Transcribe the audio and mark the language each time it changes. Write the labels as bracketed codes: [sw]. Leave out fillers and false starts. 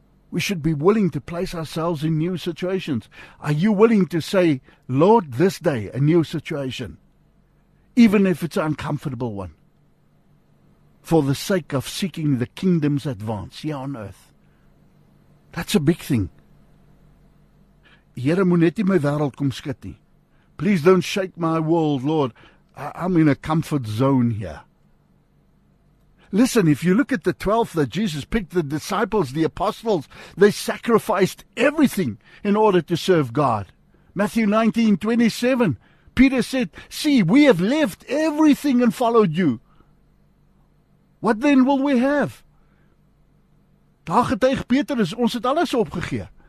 [en] We should be willing to place ourselves in new situations. Are you willing to say, Lord, this day, a new situation, even if it's an uncomfortable one, for the sake of seeking the kingdom's advance here on earth? That's a big thing. [af] Here, moet net nie my wêreld kom skud nie. [en] Please don't shake my world, Lord. I'm in a comfort zone here. Listen, if you look at the 12th that Jesus picked, the disciples, the apostles, they sacrificed everything in order to serve God. Matthew 19:27, Peter said, see, we have left everything and followed you. What then will we have? [af] Daar getuig Petrus, ons het alles opgegee.